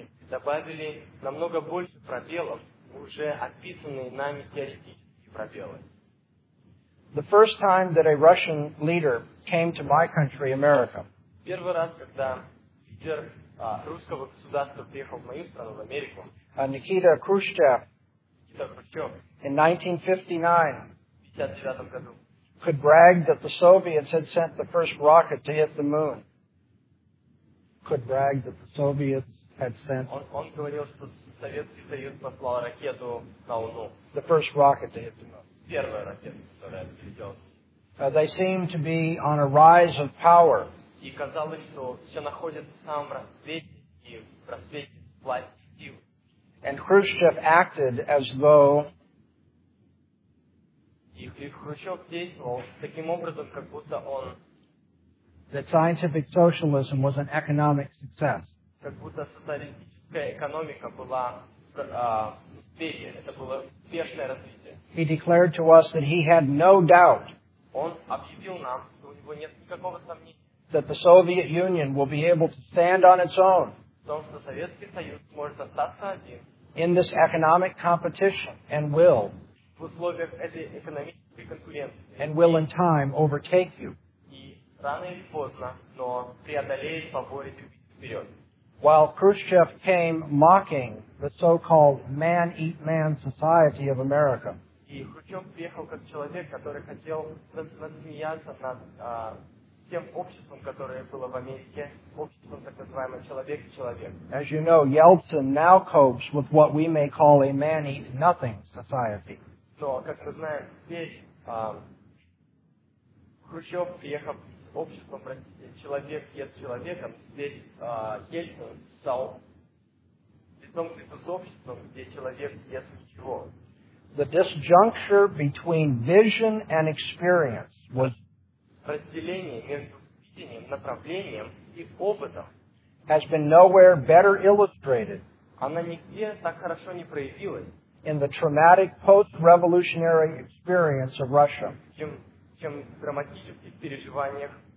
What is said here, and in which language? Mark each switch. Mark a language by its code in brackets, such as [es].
[ru] Добавили намного больше пробелов, уже описанные нами теоретические пробелы. [en] The first time that a Russian leader came to my country, America. [ru] Первый раз, когда лидер русского государства приехал в мою страну, в Америку. Никита Хрущев. Никита Хрущев. [en] In 1959. [ru] В 59 году. [en] Could brag that the Soviets had sent the first rocket to hit the moon. Could brag that the Soviets had sent [ru] он говорил, что Советский Союз послал ракету на Луну. [en] The first rocket to hit the moon. [ru] Первая ракета, которая взлетела. [en] They seemed to be on a rise of power. [ru] И казалось, что все находится в самом расцвете и в расцвете власти силы. [en] And Khrushchev acted as though [ru] и Хрущев действовал таким образом, как будто он [en] that scientific socialism was an economic success. [ru] Как будто социалистическая экономика была успехи, это было успешное развитие. [en] He declared to us that he had no doubt. [ru] Он объявил нам, что у него нет никакого сомнения. [en] That the Soviet Union will be able to stand on its own. [ru] В том, что Советский Союз может остаться один. [en] In this economic competition and will. [ru] В условиях этой экономической конкуренции. [en] And will in time overtake you. [ru] И рано или поздно, но преодолеет, поборет и убить вперед. [en] While Khrushchev came mocking the so-called man-eat-man society of America. [ru] И Хрущев приехал как человек, который хотел рассмеяться над тем обществом, которое было в Америке, обществом так называемого человек-человек. [en] As you know, Yeltsin now copes with what we may call a man-eat-nothing society. [ru] Но, как мы знаем, теперь Хрущев приехал обществом, простите, человек ест человеком, здесь Ельцин стал лицом к лицу с обществом, где человек ест ничего. [en] The disjuncture between vision and experience was [ru] разделение между видением, направлением и опытом [en] has been nowhere better illustrated. [ru] Она нигде так хорошо не проявилась [en] in the traumatic post-revolutionary experience of Russia. [ru] Чем в драматических переживаниях